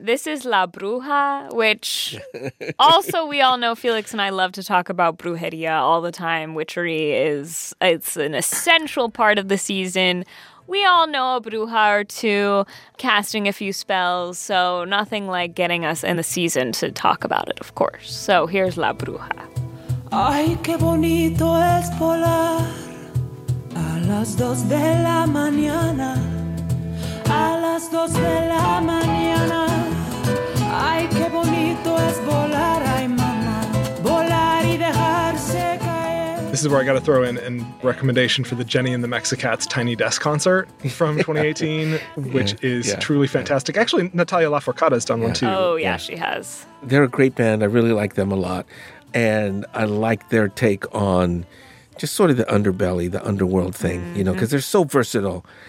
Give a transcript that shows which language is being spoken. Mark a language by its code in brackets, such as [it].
[en] This is La Bruja, which also we all know Felix and I love to talk about brujería all the time. Witchery is, it's an essential part of the season. We all know a bruja or two, casting a few spells. So nothing like getting us in the season to talk about it, of course. So here's La Bruja. [es] Ay, qué bonito es volar a las dos de la mañana, a las dos de la mañana. Ay, qué bonito es volar, ay mamá, volar y dejarse caer. [en] This is where I got to throw in a recommendation for the Jenny and the Mexicats Tiny Desk concert from 2018, truly fantastic. Yeah. Actually, Natalia Lafourcade has done one too. Oh, yeah, she has. They're a great band. I really like them a lot. And I like their take on just sort of the underbelly, the underworld thing, you know, because they're so versatile.